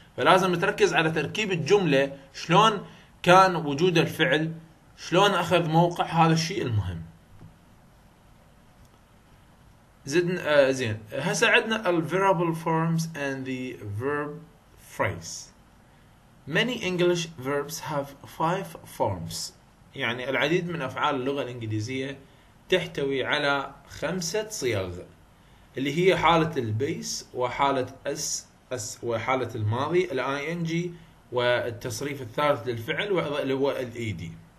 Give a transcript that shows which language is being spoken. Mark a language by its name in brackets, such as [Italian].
[Arabic] فلازم تركز على تركيب الجمله، شلون كان وجود الفعل، شلون اخذ موقع، هذا الشيء المهم. زين، هسه عندنا ال [English] verbal forms and the verb phrase. Many English verbs have 5 forms. [Arabic] يعني العديد من افعال اللغة الانجليزية تحتوي على 5 صيغ، اللي هي حالة البيس، وحالة اس، وحالة الماضي الاي ان جي، والتصريف الثالث للفعل، وأيضا اللي هو الاي دي.